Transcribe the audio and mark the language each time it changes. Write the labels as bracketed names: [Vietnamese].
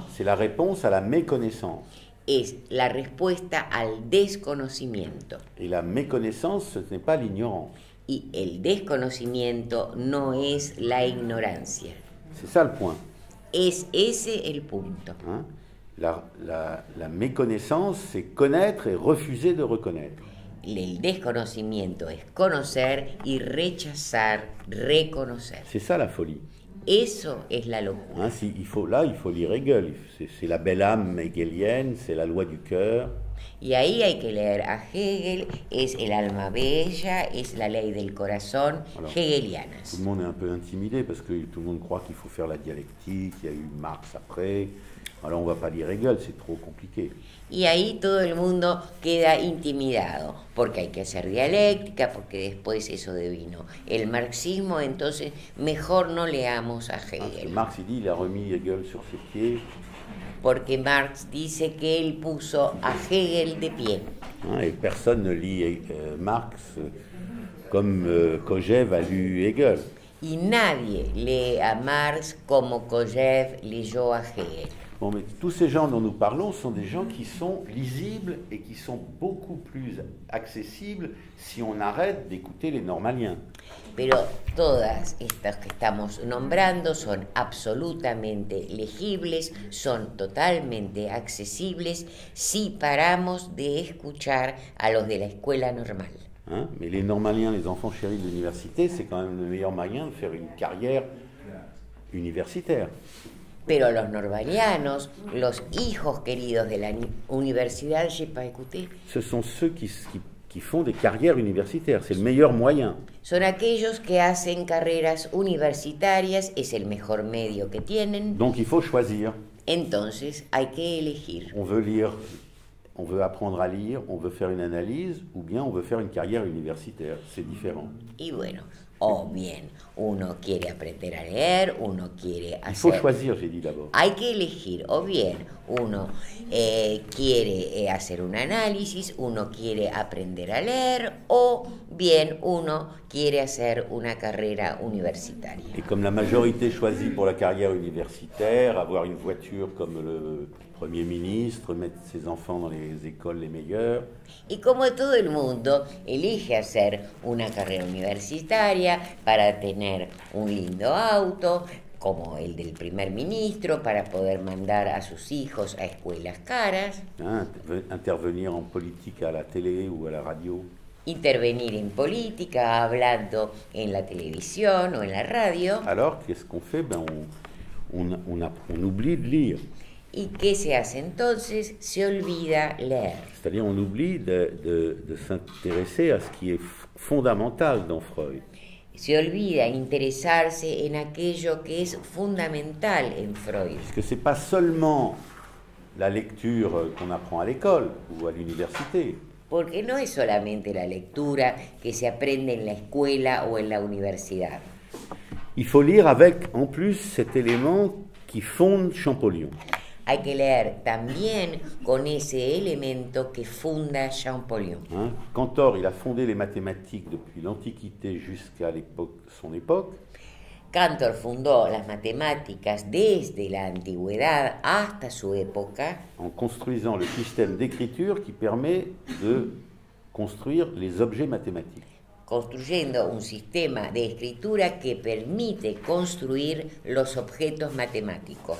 [French] C'est la réponse à la méconnaissance. [Spanish] Es la respuesta al desconocimiento. [French] Et la méconnaissance, ce n'est pas l'ignorance. [Spanish] Y el desconocimiento no es la ignorancia. [French] C'est ça le point. [Spanish] Es ese el punto. [French] Hein? La méconnaissance, c'est connaître et refuser de reconnaître. [Spanish] El desconocimiento es conocer y rechazar reconocer. [French] C'est ça la folie. [Spanish] Eso es la locura. [French] Hein, si, il faut, là, il faut lire Hegel. C'est la belle âme hegelienne, c'est la loi du cœur. [Spanish] Y ahí hay que leer a Hegel, es el alma bella, es la ley del corazón, alors, hegeliana. [French] Tout le monde est un peu intimidé parce que tout le monde croit qu'il faut faire la dialectique, il y a eu Marx après. Alors on va pas lire Hegel, c'est trop compliqué. [Spanish] Y ahí todo el mundo queda intimidado, porque hay que hacer dialéctica, porque después eso devino el marxismo, entonces mejor no leamos a Hegel. [French] Ah, Marx, il dit, il a remis Hegel sur ses pieds. [Spanish] Porque Marx dice que él puso a Hegel de pie. [French] Ah, et personne ne lit Marx comme Kojève a lu Hegel. [Spanish] Y nadie lee a Marx como Kojève leyó a Hegel. [French] Bon, mais tous ces gens dont nous parlons sont des gens qui sont lisibles et qui sont beaucoup plus accessibles si on arrête d'écouter les normaliens. [Spanish] Pero todas estas que estamos nombrando son absolutamente legibles, son totalmente accesibles si paramos de escuchar a los de la escuela normal. [French] Hein? Mais les normaliens, les enfants chéris de l'université, c'est quand même le meilleur moyen de faire une carrière universitaire. [Spanish] Pero los normalianos, los hijos queridos de la universidad, [French] j'ai pas écouté. Ce sont ceux qui font des carrières universitaires, c'est le meilleur moyen. [Spanish] Son aquellos que hacen carreras universitarias, es el mejor medio que tienen. [French] Donc il faut choisir. [Spanish] Entonces hay que elegir. [French] On veut lire, on veut apprendre à lire, on veut faire une analyse, ou bien on veut faire une carrière universitaire, c'est différent. [Spanish] Y bueno. O bien, uno quiere aprender a leer, uno quiere hacer... [French] Il faut choisir, j'ai dit d'abord. [Spanish] Hay que elegir. O bien, uno quiere hacer un análisis, uno quiere aprender a leer, o bien, uno quiere hacer una carrera universitaria. [French] Et comme la majorité choisit pour la carrière universitaire, avoir une voiture comme le premier ministre, mettre ses enfants dans les écoles les meilleures. [Spanish] Y como todo el mundo elige hacer una carrera universitaria para tener un lindo auto, como el del primer ministro, para poder mandar a sus hijos a escuelas caras. Intervenir en política a la tele o a la radio. Intervenir en política, hablando en la televisión o en la radio. [French] Alors, qu'est-ce qu'on fait? Ben, on oublie de lire. [Spanish] ¿Y qué se hace entonces? Se olvida leer. [French] C'est-à-dire, on oublie de s'intéresser à ce qui est fondamental dans Freud. [Spanish] Se olvida interesarse en aquello que es fundamental en Freud. [French] Parce que c'est pas seulement la lecture qu'on apprend à l'école ou à l'université. [Spanish] Porque no es solamente la lectura que se aprende en la escuela o en la universidad. [French] Il faut lire avec, en plus, cet élément qui fonde Champollion. [Spanish] Hay que leer también con ese elemento que funda Champollion. [French] Hein? Cantor, il a fondé les mathématiques depuis l'Antiquité jusqu'à l'époque, son époque. [Spanish] Cantor fundó las matemáticas desde la antigüedad hasta su época. [French] En construisant le système d'écriture qui permet de construire les objets mathématiques. [Spanish] Construyendo un sistema de escritura que permite construir los objetos matemáticos.